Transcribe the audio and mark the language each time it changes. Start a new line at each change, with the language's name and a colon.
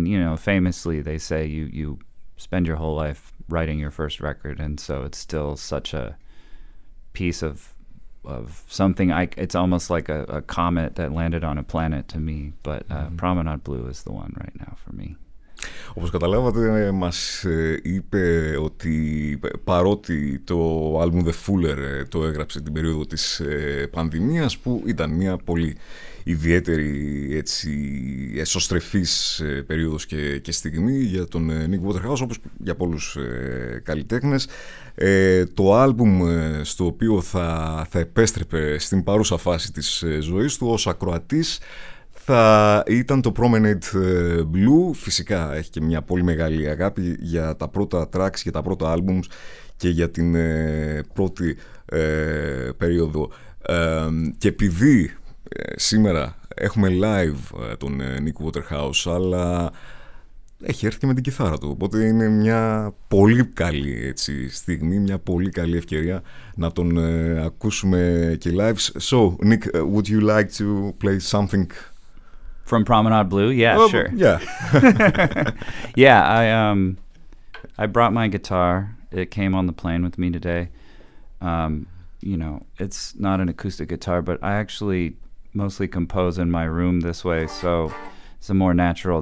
English: And you know, famously, they say you spend your whole life writing your first record, and so it's still such a piece of something. It's almost like a comet that landed on a planet to me. But Promenade Blue is the one right now for me.
Greek: Όπως καταλάβατε, μας είπε ότι παρότι το άλμπουμ The Fooler το έγραψε την περίοδο της πανδημίας, που ήταν μια πολύ ιδιαίτερη έτσι, εσωστρεφής περίοδος και στιγμή για τον Nick Waterhouse, όπως για πολλούς καλλιτέχνες, το άλμπουμ στο οποίο θα επέστρεπε στην παρούσα φάση της ζωής του ως ακροατής θα ήταν το Promenade Blue. Φυσικά έχει και μια πολύ μεγάλη αγάπη για τα πρώτα tracks, για τα πρώτα albums και για την πρώτη περίοδο. Και επειδή σήμερα έχουμε live τον Nick Waterhouse, αλλά έχει έρθει και με την κιθάρα του, οπότε είναι μια πολύ καλή έτσι, στιγμή, μια πολύ καλή ευκαιρία να τον ακούσουμε και live.
English: So, Nick, would you like to play something from Promenade Blue? Yeah, sure. Yeah. Yeah, I brought my guitar. It came on the plane with me today. You know, it's not an acoustic guitar, but I actually mostly compose in my room this way, so it's a more natural.